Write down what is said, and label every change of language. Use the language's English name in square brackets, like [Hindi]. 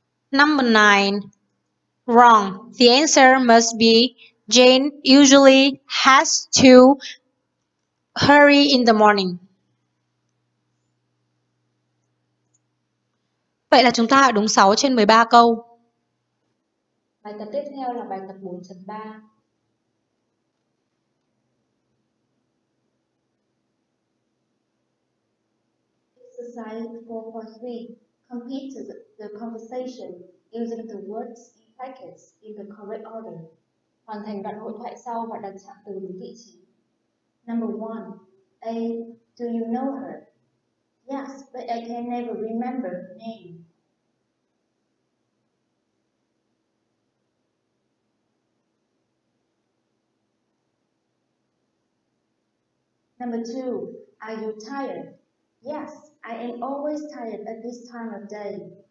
[English] Number 9, wrong. The answer must be Jane usually has to hurry in the morning. [Vietnamese] Vậy là chúng ta đã đúng 6 trên 13 câu. Bài tập tiếp theo là bài tập 4.3. [English] Exercise 4.3. Complete the conversation using the words in brackets in the correct order. [Vietnamese] Hoàn thành đoạn hội thoại sau và đặt trạng từ đúng vị trí. [English] Number 1. A. Do you know her? Yes, but I can never remember her name. Number 2. Are you tired? Yes, I am always tired at this time of day.